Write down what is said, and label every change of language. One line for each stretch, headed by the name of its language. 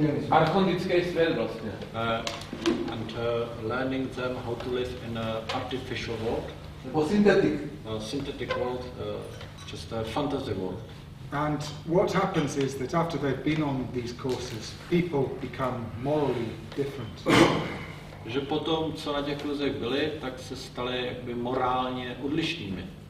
Czech: Archontický svět vlastně.
English: And learning them how to live in an artificial world.
Czech: Nebo synthetic.
English: Synthetic world, just a fantasy world. And what happens is that after they've been on these courses, people become morally different.
Czech: Že potom, co na těch kurzech byli, tak se stali jakby morálně odlišnými.